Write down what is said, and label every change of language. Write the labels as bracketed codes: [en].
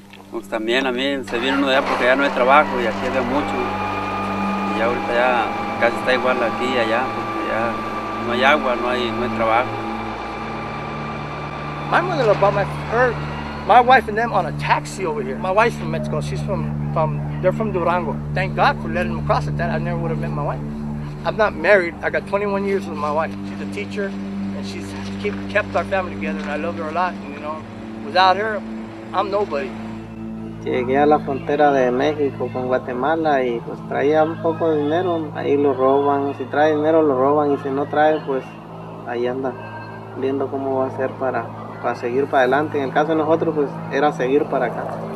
[es] Pues también a mí se viene uno de allá porque ya no hay trabajo y aquí había mucho. Y ya ahorita ya casi está igual aquí y allá, porque ya no hay agua, no hay trabajo. [en] My mother-in-law bought my first My wife and them on a taxi over here. My wife's from Mexico. She's from they're from Durango. Thank God for letting them cross it. That I never would have met my wife. I'm not married. I got 21 years with my wife. She's a teacher, and she's kept our family together, and I love her a lot. And, you know, without her, I'm nobody. [es] Llegué a la frontera de México con Guatemala y pues traía un poco de dinero. Ahí lo roban. Si trae dinero, lo roban. Y si no trae, pues ahí anda viendo cómo va a ser para seguir para adelante. En el caso de nosotros, pues era seguir para acá.